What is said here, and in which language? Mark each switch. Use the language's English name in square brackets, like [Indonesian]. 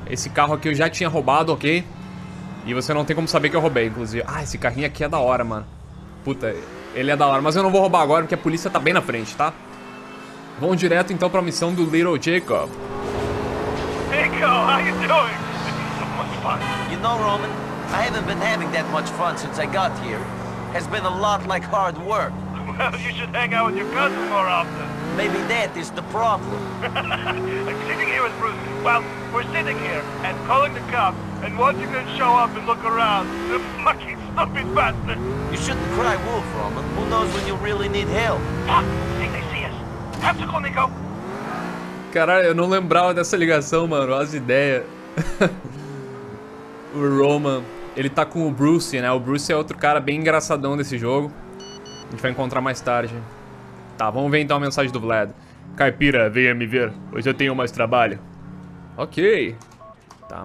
[Portuguese] Esse carro aqui eu já tinha roubado, ok? E você não tem como saber que eu roubei, inclusive. Ah, esse carrinho aqui é da hora, mano. Puta, ele é da hora. Mas eu não vou roubar agora porque a polícia tá bem na frente, tá? Vamos direto então pra missão do Little Jacob. [English] Nico, how you doing? This is so much fun. You know, Roman? I haven't been having that much fun since I got here. Has been a lot like hard work. Well, you should hang out with your cousin more often. Maybe that is the problem. I'm sitting here with Bruce. Well, we're sitting here and calling the cops and watching them show up and look around. The fucking stupid bastard. You shouldn't cry wolf, Roman. Who knows when you really need help? Ah, I think they see us. Have to call Nico. [Portuguese] Caralho, eu não lembrava dessa ligação, mano. As ideias. O Roman, ele tá com o Bruce, né? O Bruce é outro cara bem engraçadão desse jogo. A gente vai encontrar mais tarde. Tá, vamos ver então a mensagem do Vlad. Caipira, venha me ver. Hoje eu tenho mais trabalho. Ok. tá?